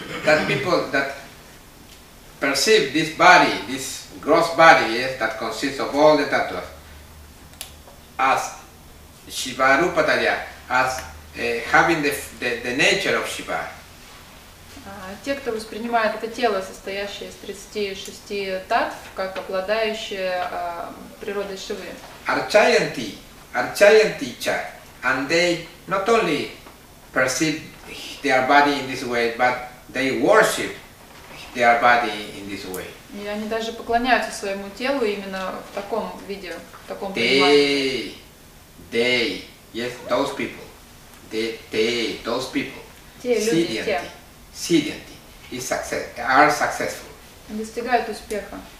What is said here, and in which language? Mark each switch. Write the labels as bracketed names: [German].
[English] That people that perceive this body, this gross body, yes, that consists of all the tattvas, as Shiva Rupataya, as having the nature of Shiva. [Russian] Те, кто воспринимает это тело, состоящее из 36 таттв, как обладающее природой Шивы. [Sanskrit] Archayanti, archayanti cha, [English] and they not only perceive their body in this way, but they worship their body in this way. [Russian] И они даже поклоняются своему телу именно в таком виде, в таком понимании. [English] They, yes, those people. They, those people. [Russian] Те люди, те. [English] Siddhanti is success, are successful. [Russian] Достигают успеха.